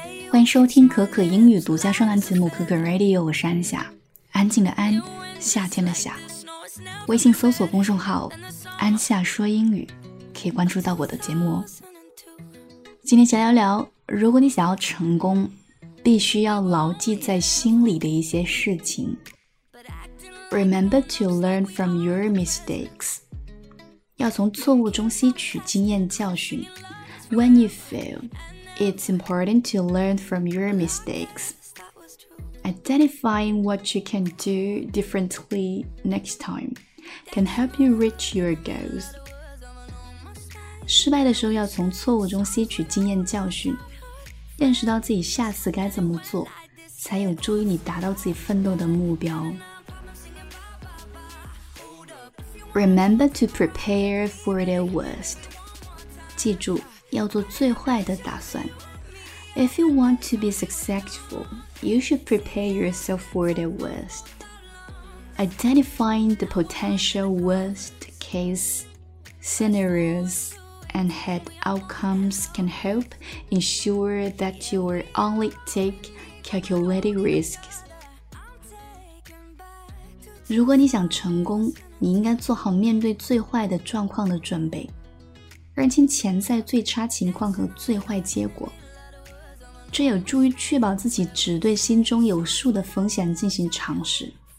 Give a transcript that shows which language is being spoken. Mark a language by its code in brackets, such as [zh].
[zh] 欢迎收听可可英语独家专栏节目可可 Radio， 我是安夏，安静的安，夏天的夏。微信搜索公众号安夏说英语，可以关注到我的节目哦。今天想聊聊，如果你想要成功，必须要牢记在心里的一些事情。 [en] Remember to learn from your mistakes. [zh] 要从错误中吸取经验教训。 [en] When you fail, it's important to learn from your mistakes. Identifying what you can do differently next time can help you reach your goals. [zh] 失败的时候要从错误中吸取经验教训，认识到自己下次该怎么做，才有助于你达到自己奋斗的目标。 [en] Remember to prepare for the worst. [zh] 记住，要做最坏的打算。 [en] If you want to be successful, you should prepare yourself for the worst. Identifying the potential worst case scenarios and head outcomes can help ensure that you will only take calculated risks. [zh] 如果你想成功，你应该做好面对最坏的状况的准备，认清潜在最差情况和最坏结果，这有助于确保自己只对心中有数的风险进行尝试。